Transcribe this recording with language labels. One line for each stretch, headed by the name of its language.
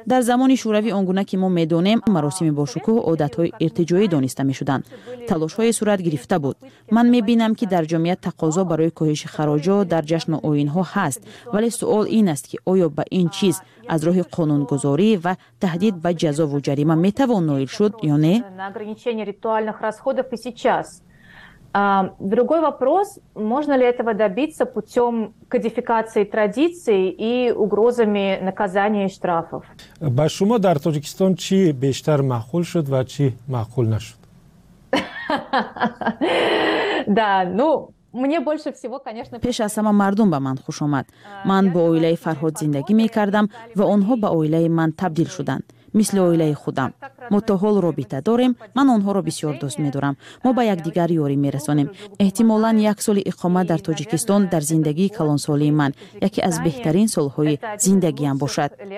Persian: در زمان شوروی آنگونه که ما میدونیم، مراسم باشکوه عادت های ارتجاعی دانسته میشدند. تلاش های صورت گرفته بود. من میبینم که در جامعه تقاضا برای کاهش خراج ها در جشن و آیین ها هست، ولی سوال این است که آیا به این چیز از راه قانون گذاری و تهدید به جزا و جریمه می توان نایل شد یا نه؟
Russian: на ограничение ритуальных расходов и сейчас. Другой вопрос, можно ли этого добиться путём кодификации традиций и угрозами наказания и штрафов.
Tajik: Ба шумо дар Тоҷикистон чи бештар маъқул шуд ва чи маъқул нашуд?
Russian: Да, ну мне больше всего, конечно,
Tajik: пеш аз сама мардум ба ман хуш омад. Ман бо оилаи Фарҳод зиндагӣ мекардам ва онҳо ба оилаи ман табдил шуданд.
Persian: مثل اویله خودم. ما تا حال رابطه داریم. من آنها را بسیار دوست می دارم. ما با یک دیگر یاری می رسانیم. احتمالاً یک سال اقامت در تاجیکستان در زندگی کلان سالی من یکی از بهترین سالهای زندگیم باشد.